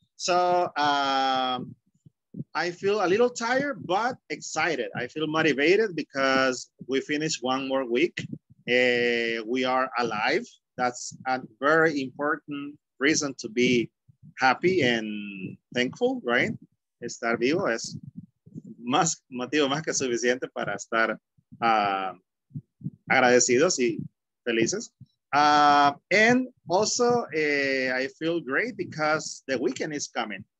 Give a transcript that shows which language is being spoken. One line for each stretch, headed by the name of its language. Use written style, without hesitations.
English: So I feel a little tired, but excited. I feel motivated because we finished one more week. We are alive. That's a very important reason to be happy and thankful, right?
Spanish: Estar vivo es más motivo más que suficiente para estar agradecidos y felices.
English: And also, I feel great because the weekend is coming.